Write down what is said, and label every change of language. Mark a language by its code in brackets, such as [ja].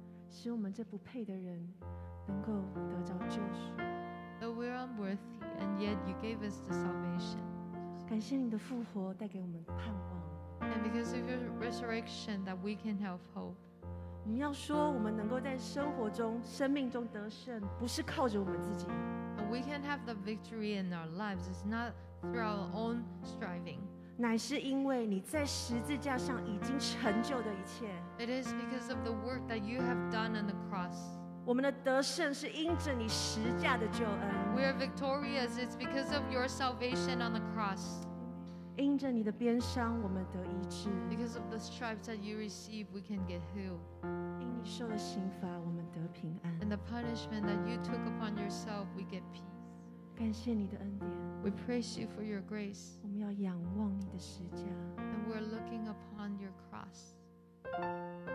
[zh] 使我们这不配的人能够得到救赎 [en] Though we're unworthy, and yet you gave us the salvation. [zh] 感谢你的复活带给我们盼望 [en] And because of your resurrection that we can have hope. [zh] 我们要说我们能够在生活中生命中得胜不是靠着我们自己 [en] But we can have the victory in our lives. It's not through our own striving. [zh] 乃是因为你在十字架上已经成就的一切。 [en] It is because of the work that you have done on the cross. [zh] 我们的得胜是因着你十字架的救恩。 [en] We are victorious. It's because of your salvation on the cross. [zh] 因着你的鞭伤，我们得医治。 [en] Because of the stripes that you receive, we can get healed. [zh] 因你受的刑罚，我们得平安。 [en] And the punishment that you took upon yourself, we get peace. [zh] 感谢你的恩典 [en] We praise you for your grace. [zh] 我们要仰望你的十字架 [en] And we're looking upon your cross.